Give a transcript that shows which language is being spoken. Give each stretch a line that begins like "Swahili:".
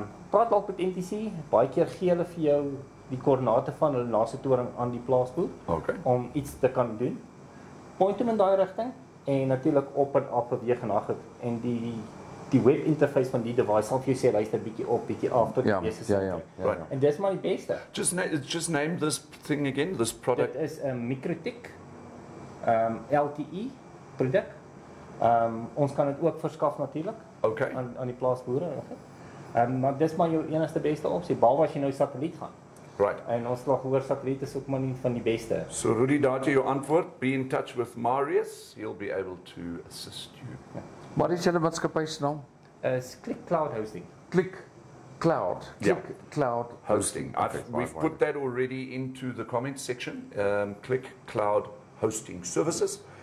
Afrikaans: Praat dalk met NTC, baie keer gee hulle vir jou die koördinate van hulle laaste toring aan die plaasboer okay. om iets te kan doen. Point hom in daai rigting en natuurlik op en af beweeg en daag het, en die, die web interface van die device sal vir jou sê, luister bietjie op, bietjie af, tot die beste sê. En dis maar die beste.
English: Just name this thing again, this product.
Afrikaans: Dit is een MikroTik LTE product. Ons kan het ook verskaf natuurlijk, okay. aan die plaasboere. Maar dis maar jou enigste beste optie, behalwe as jy nou satelliet gaan.
English: Right.
Afrikaans: En ons slag hoor, satelliet is ook maar nie van die beste.
English: So Rudy,
Afrikaans: daar jy jou antwoord,
English: be in touch with Marius, he'll be able to assist you.
Afrikaans: Ja. Wat is jylle maatskapie se naam? Is Click Cloud Hosting. Click Cloud. Click yeah. Cloud Hosting. Hosting.
English: Okay, we've put that already into the comments section, Click Cloud Hosting Services.